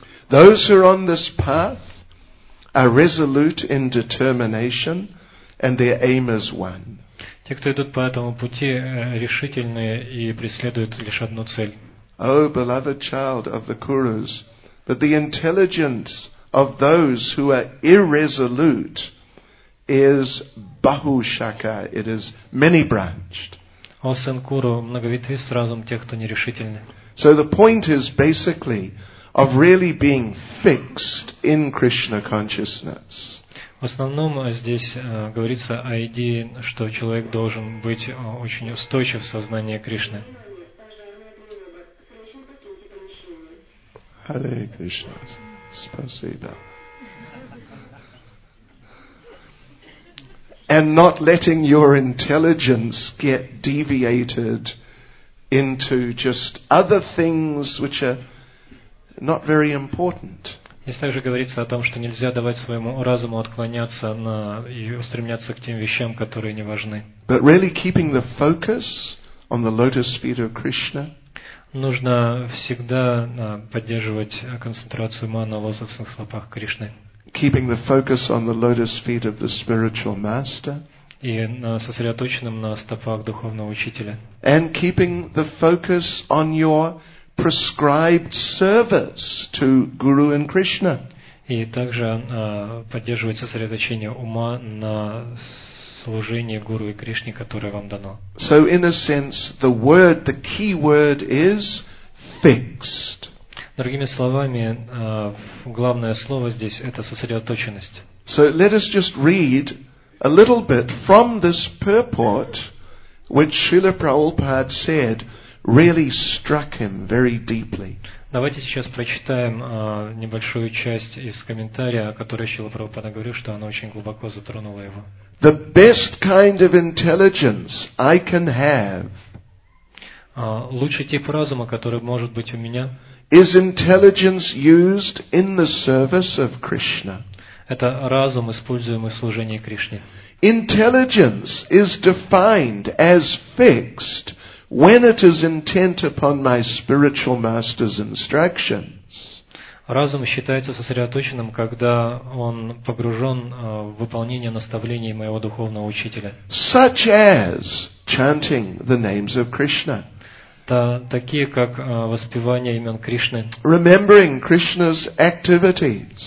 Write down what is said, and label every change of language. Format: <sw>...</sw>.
<en>Those who are on this path are resolute in determination, and their aim is one.</en> <ru>Те, кто идут по этому пути, решительные и преследуют лишь одну цель.</ru> <en>O beloved child of the Kurus, but the intelligence of those who are irresolute is bahushaka. It is many-branched.</en> <ru>О сын Куру, многовитый разум тех, кто нерешительны.</ru> <en>So the point is basically of really being fixed in Krishna consciousness.</en> <ru>В основном здесь говорится о идее, что человек должен быть очень устойчив в сознании Кришны. Харе Кришна, спасибо.</ru> <en>And not letting your intelligence get deviated into just other things which are not very important.</en> <ru>Здесь также говорится о том, что нельзя давать своему разуму отклоняться на и устремляться к тем вещам, которые не важны.</ru> <en>But really keeping the focus on the lotus feet of Krishna.</en> <ru>Нужно всегда поддерживать концентрацию ума на лотосных стопах Кришны.</ru> <en>Keeping the focus on the lotus feet of the spiritual master.</en> <ru>И сосредоточенным на стопах духовного учителя.</ru> <en>And keeping the focus on your prescribed service to Guru and Krishna.</en> <ru>И также поддерживать сосредоточение ума на служении Гуру и Кришне, которое вам дано.</ru> <en>So in a sense, the word, the key word is fixed.</en> <ru>Другими словами, главное слово здесь это сосредоточенность.</ru> <en>So let us just read a little bit from this purport, which Srila Prabhupada said really struck him very deeply.</en> <ru>Давайте сейчас прочитаем небольшую часть из комментария, о которой Шрила Прабхупада говорил, что она очень глубоко затронула его.</ru> <en>The best kind of intelligence I can have.</en> <ru>Лучший тип разума, который может быть у меня.</ru> <en>Is intelligence used in the service of Krishna?</en> <ru>Это разум, используемый в служении Кришне.</ru> <en>Intelligence is defined as fixed when it is intent upon my spiritual master's instructions.</en> <ru>Разум считается сосредоточенным, когда он погружен в выполнение наставлений моего духовного учителя.</ru> <en>Such as chanting the names of Krishna.</en> <ru>Такие как воспевание имен Кришны.</ru> <en>Remembering Krishna's activities.</en>